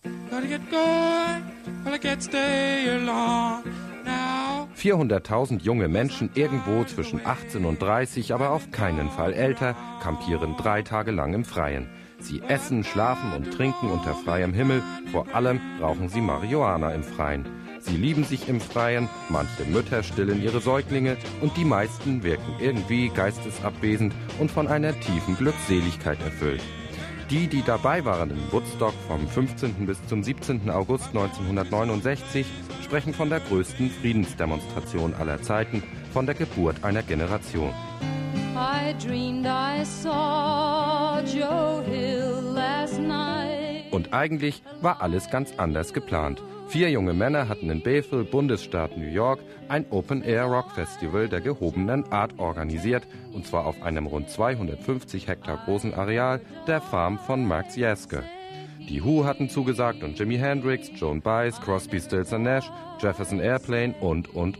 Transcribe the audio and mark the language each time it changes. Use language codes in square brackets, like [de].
[en] Gotta get going, but I can't stay along. [de] 400.000 junge Menschen, irgendwo zwischen 18 und 30, aber auf keinen Fall älter, kampieren 3 Tage lang im Freien. Sie essen, schlafen und trinken unter freiem Himmel. Vor allem rauchen sie Marihuana im Freien. Sie lieben sich im Freien, manche Mütter stillen ihre Säuglinge und die meisten wirken irgendwie geistesabwesend und von einer tiefen Glückseligkeit erfüllt. Die, die dabei waren in Woodstock vom 15. bis zum 17. August 1969, sprechen von der größten Friedensdemonstration aller Zeiten, von der Geburt einer Generation. [en] I dreamed I saw Joe Hill last night. [de] Und eigentlich war alles ganz anders geplant. 4 junge Männer hatten in Bethel, Bundesstaat New York, ein Open-Air-Rock-Festival der gehobenen Art organisiert, und zwar auf einem rund 250 Hektar großen Areal der Farm von Max Jeske. Die Who hatten zugesagt und Jimi Hendrix, Joan Baez, Crosby, Stills & Nash, Jefferson Airplane und.